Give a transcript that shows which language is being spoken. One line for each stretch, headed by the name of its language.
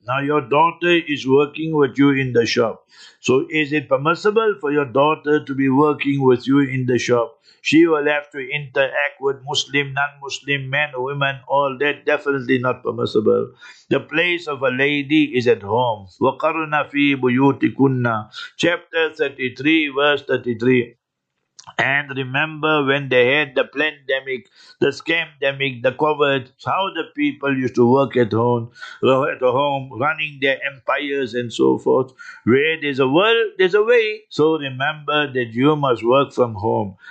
English: Now your daughter is working with you in the shop. So is it permissible for your daughter to be working with you in the shop? She will have to interact with Muslim, non-Muslim, men, women, all that, definitely not permissible. The place of a lady is at home.
Arabic: وَقَرْنَ فِي بُيُوتِكُنَّ
English: Chapter 33, verse 33. And remember when they had the plandemic, the scamdemic, the covert, how the people used to work at home, running their empires and so forth. Where there's a world, there's a way. So remember that you must work from home.